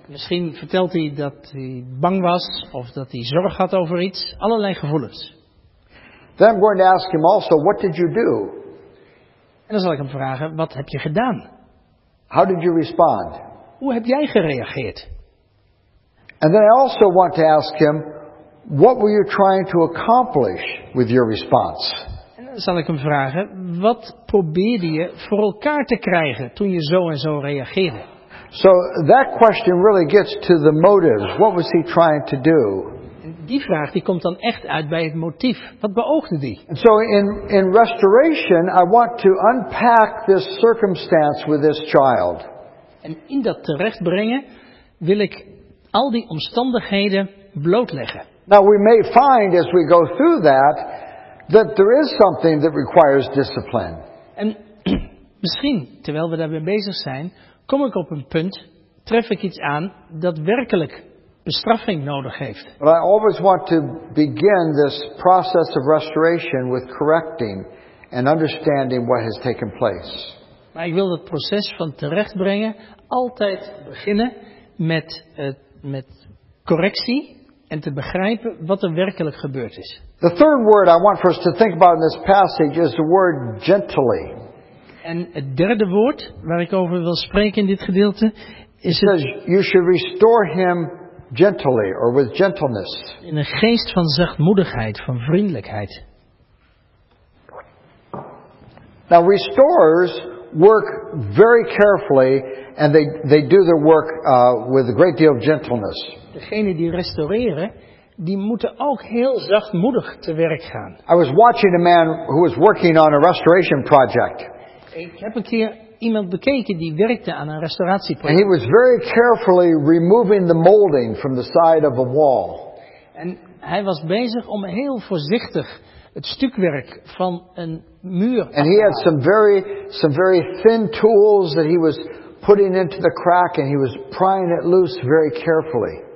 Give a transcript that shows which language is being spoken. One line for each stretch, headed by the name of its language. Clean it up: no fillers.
Dutch: Misschien vertelt hij dat hij bang was of dat hij zorg had over iets, allerlei gevoelens.
English: Then I'm going to ask him also, what did you do?
Dutch: En dan zal ik hem vragen: wat heb je gedaan?
English: How did you respond?
Dutch: Hoe heb jij gereageerd?
English: And then I also want to ask him, what were you trying to accomplish with your response?
Dutch: En dan zal ik hem vragen: wat probeerde je voor elkaar te krijgen toen je zo en zo reageerde?
English: So that question really gets to the motives. What was he trying to do?
Dutch: En die vraag die komt dan echt uit bij het motief. Wat beoogde die?
English: And so in restoration, I want to unpack this circumstance with this child.
Dutch: En in dat terechtbrengen wil ik al die omstandigheden blootleggen.
English: Now we may find as we go through that there is something that requires discipline.
Dutch: En misschien, terwijl we daarmee bezig zijn, kom ik op een punt, tref ik iets aan dat werkelijk bestraffing nodig heeft.
English: But I always want to begin this process of restoration with correcting and understanding what has taken place.
Dutch: Maar ik wil het proces van terechtbrengen altijd beginnen met correctie en te begrijpen wat er werkelijk gebeurd is.
English: The third word I want for us to think about in this passage is the word gently.
Dutch: En het derde woord waar ik over wil spreken in dit gedeelte is het,
English: you should restore him gently or with gentleness.
Dutch: In een geest van zachtmoedigheid, van vriendelijkheid.
English: Now restorers work very carefully and they do their work with a great deal of gentleness.
Dutch: Degene die restaureren, die moeten ook heel zachtmoedig te werk gaan.
English: I was watching a man who was working on a restoration project.
Dutch: Ik heb een keer iemand bekeken die werkte aan een restauratieproject.
English: And he was very carefully removing the molding from the side of a wall.
Dutch: En hij was bezig om heel voorzichtig het stukwerk van een muur.
English: And he had some very thin tools that he was putting into the crack and he was prying it loose very carefully.